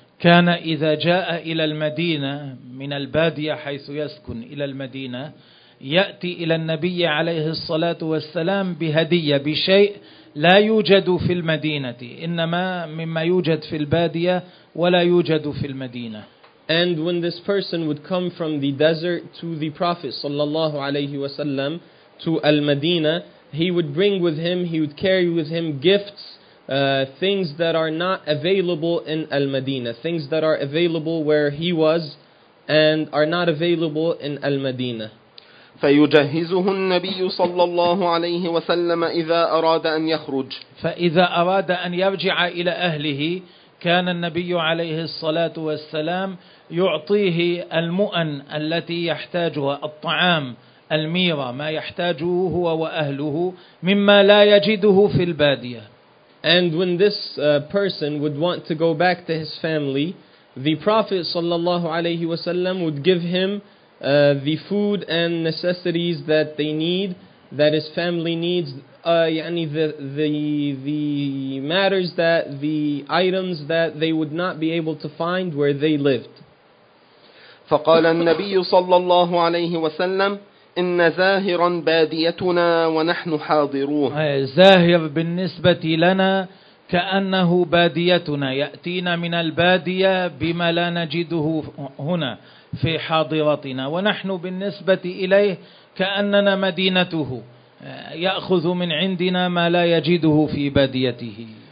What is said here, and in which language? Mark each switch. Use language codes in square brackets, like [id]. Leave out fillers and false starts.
[ar] كان إذا جاء إلى المدينة من البادية حيث يسكن إلى المدينة يأتي إلى النبي عليه الصلاة والسلام بهدية بشيء لا يوجد في المدينة، إنما مما يوجد في البادية ولا يوجد في المدينة. [en] And when this person would come from the desert to the Prophet sallallahu alayhi wa sallam to Al-Madinah, he would bring with him, he would carry with him gifts, things that are not available in Al-Madinah, things that are available where he was and are not available in Al-Madinah. [ar] فيجهزه النبي صلى الله عليه وسلم إذا أراد أن يخرج. فإذا أراد أن يرجع إلى أهله كان النبي عليه الصلاة والسلام يعطيه المؤن التي يحتاجها، الطعام، الميرة، ما يحتاجه هو وأهله مما لا يجده في البادية. [en] And when this person would want to go back to his family, the Prophet صلى الله عليه وسلم would give him the food and necessities that they need, that his family needs. The matters that the items that they would not be able to find where they lived. [ar] فقال النبي صلى الله عليه وسلم إن زاهرا باديتنا ونحن حاضرون. زاهر بالنسبة لنا كأنه باديتنا، يأتينا من البادية بما لا نجده هنا في حاضرتنا، ونحن بالنسبة إليه كأننا مدينته، يأخذ من عندنا ما لا يجده في باديته.